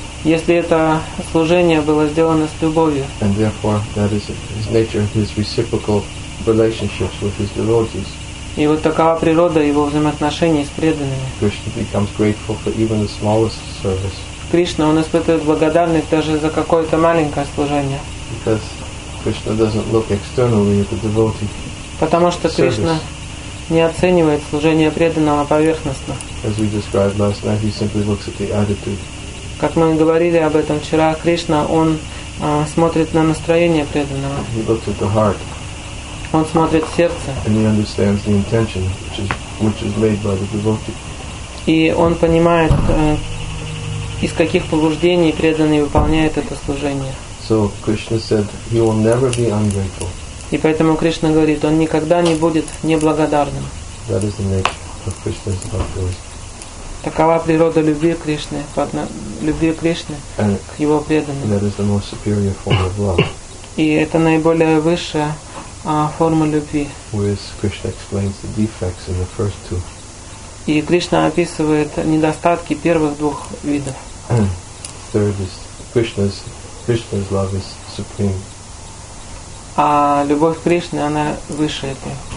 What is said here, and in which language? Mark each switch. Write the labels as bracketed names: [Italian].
[Russian] Если это служение было сделано с любовью. [English] And therefore, that is his nature, his reciprocal relationships with his devotees. [Russian] И вот такова природа его взаимоотношений с преданными. [English] Krishna becomes grateful for even the smallest service. [Russian] Кришна, он испытывает благодарность даже за какое-то маленькое служение. [English] Because Krishna doesn't look externally at the devotee. [Russian] Потому что [English] service. [Russian] Кришна не оценивает служение преданного поверхностно. [English] As we described last night, he simply looks at the attitude. [Russian] Как мы говорили об этом вчера, Кришна, он смотрит на настроение преданного. [English] He looks at the heart. [Russian] Он смотрит в сердце. [English] And he understands the intention, which is made by the devotee. [Russian] И он понимает, из каких побуждений преданный выполняет это служение. [English] So Krishna said, he will never be ungrateful. [Russian] И поэтому Кришна говорит, он никогда не будет неблагодарным. [English] That is the nature of Krishna's love. [Russian] Такова природа любви Кришны, любви Кришны к его преданным. [English] That is the most superior form of love. [Russian] И это наиболее высшая форма любви. [English] Whereas Krishna explains the defects in the first two. [Russian] И Кришна описывает недостатки первых двух видов. [English] Third is Krishna's love is supreme. [Russian] А любовь Кришны, она выше этой.